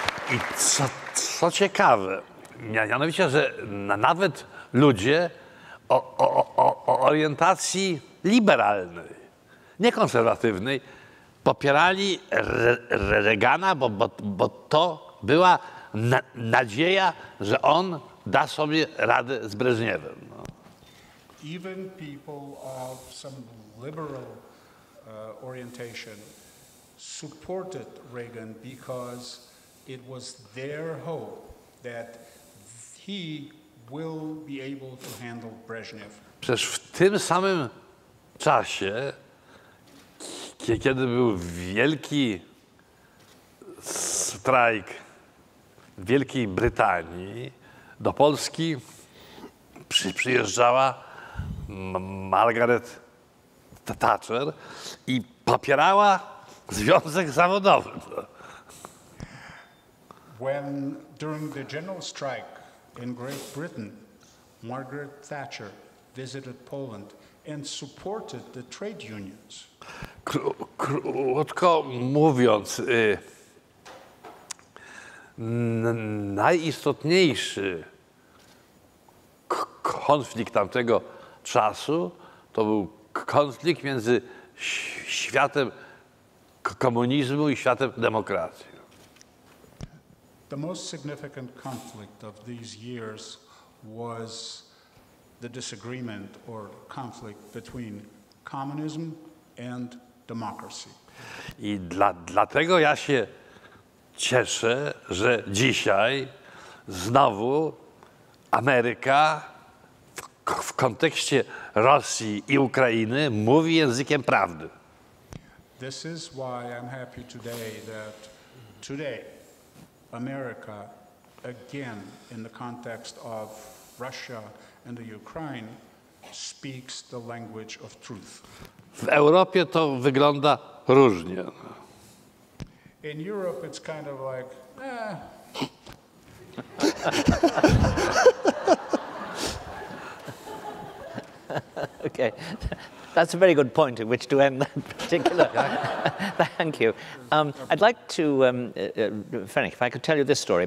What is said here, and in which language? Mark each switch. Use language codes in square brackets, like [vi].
[pl] I co ciekawe, mianowicie, że nawet ludzie o orientacji liberalnej, niekonserwatywnej, popierali Reagana, bo to była nadzieja, że on da sobie radę z Breżniewem. No. [en] Even people of some liberal orientation supported Reagan because it was their hope that he will be able to handle Brezhnev. [pl] Przecież w tym samym czasie, kiedy był wielki strajk w Wielkiej Brytanii, do Polski przyjeżdżała Margaret Thatcher i popierała związek zawodowy. [en] When during the general strike in Great Britain, Margaret Thatcher visited Poland and supported the trade unions. [pl] Krótko mówiąc, najistotniejszy konflikt tamtego czasu to był konflikt między światem komunizmu i światem demokracji. [en] The most significant conflict of these years was the disagreement or conflict between communism and democracy. [pl] I dlatego ja się cieszę, że dzisiaj znowu Ameryka w kontekście Rosji i Ukrainy mówi językiem prawdy. [en] This is why I'm happy today that today America, again, in the context of Russia and the Ukraine, speaks the language of truth. [pl] W Europie to wygląda różnie. [en] In Europe, it's kind of like, eh. Okay, that's a very good point at which to end that particular. Thank you. I'd like to, Fenwick, if I could tell you this story.